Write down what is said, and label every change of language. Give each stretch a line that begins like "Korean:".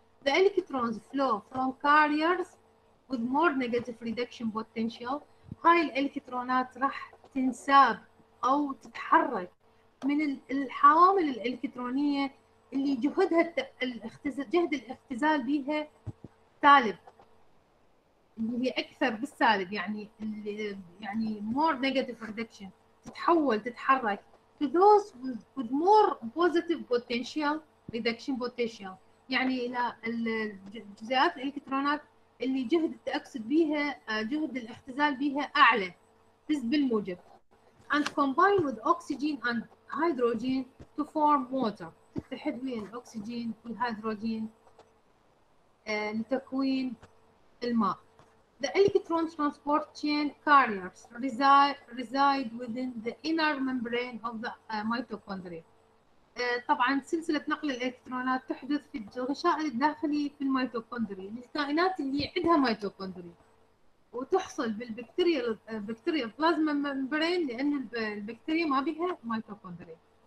English: The electrons flow from carriers with more negative reduction potential.
Arabic: هاي الالكترونات راح تنساب او تتحرك من الحوامل الالكترونيه اللي جهدها الاختزال، جهد الاختزال بيها سالب، اللي هي اكثر بالسالب، يعني اللي يعني
English: more negative reduction،
Arabic: تتحول تتحرك
English: to those with more positive potential reduction potential،
Arabic: يعني الى الجزيئات الالكترونات اللي جهد التاكسد بيها، جهد الاختزال بيها اعلى نسبة بالموجب.
English: And combine with oxygen and hydrogen to form water.
Arabic: تتحد ويا الاكسجين والهيدروجين لتكوين الماء.
English: The electron transport chain carriers reside within the inner membrane of the mitochondria.
Arabic: طبعا سلسلة نقل الإلكترونات تحدث في الغشاء الداخلي في الميتوكوندري، الكائنات اللي عندها ميتوكوندري، وتحصل بالبكتيريا بلازما ممبرين، لأن البكتيريا ما بها ميتوكوندري.